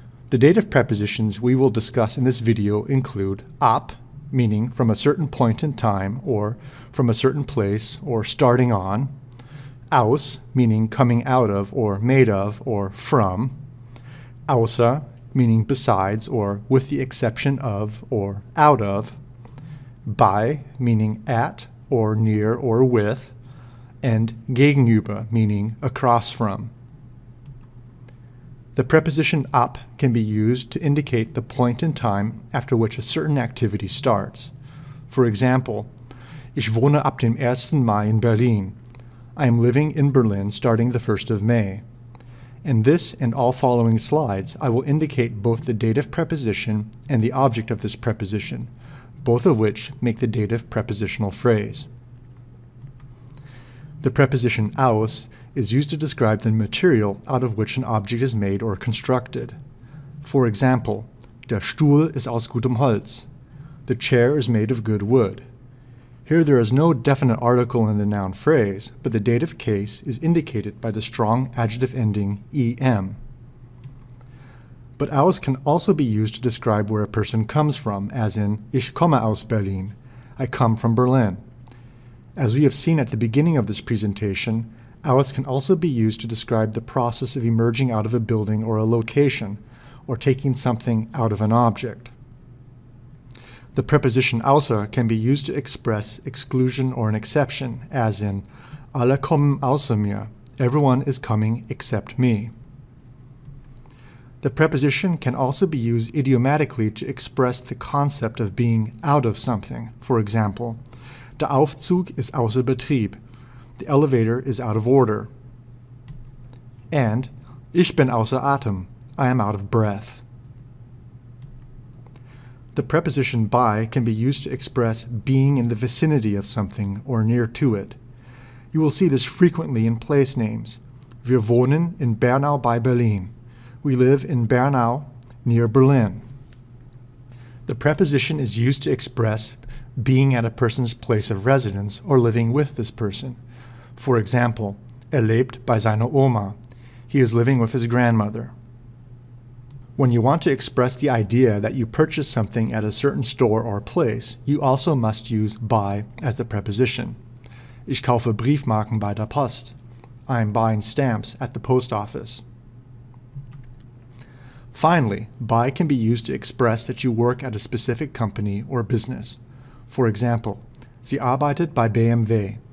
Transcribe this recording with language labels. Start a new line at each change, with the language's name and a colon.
English: The dative prepositions we will discuss in this video include ab, meaning from a certain point in time or from a certain place or starting on, aus, meaning coming out of or made of or from, außer, meaning besides or with the exception of or out of, bei, meaning at or near or with, and gegenüber, meaning across from. The preposition ab can be used to indicate the point in time after which a certain activity starts. For example,
German: ich wohne ab dem 1. Mai in Berlin.
English: I am living in Berlin starting the 1st of May. In this and all following slides, I will indicate both the dative preposition and the object of this preposition, both of which make the dative prepositional phrase. The preposition aus is used to describe the material out of which an object is made or constructed. For example,
German: der Stuhl ist aus gutem Holz.
English: The chair is made of good wood. Here there is no definite article in the noun phrase, but the dative case is indicated by the strong adjective ending em. But aus can also be used to describe where a person comes from, as in
German: ich komme aus Berlin,
English: I come from Berlin. As we have seen at the beginning of this presentation, aus can also be used to describe the process of emerging out of a building or a location, or taking something out of an object. The preposition außer can be used to express exclusion or an exception, as in
German: alle kommen außer mir,
English: everyone is coming except me. The preposition can also be used idiomatically to express the concept of being out of something. For example,
German: der Aufzug ist außer Betrieb,
English: the elevator is out of order, and
German: ich bin außer Atem,
English: I am out of breath. The preposition bei can be used to express being in the vicinity of something or near to it. You will see this frequently in place names.
German: Wir wohnen in Bernau bei Berlin.
English: We live in Bernau near Berlin. The preposition is used to express being at a person's place of residence or living with this person. For example,
German: er lebt bei seiner Oma.
English: He is living with his grandmother. When you want to express the idea that you purchased something at a certain store or place, you also must use bei as the preposition.
German: Ich kaufe Briefmarken bei der Post.
English: I am buying stamps at the post office. Finally, bei can be used to express that you work at a specific company or business. For example,
German: sie arbeitet bei BMW.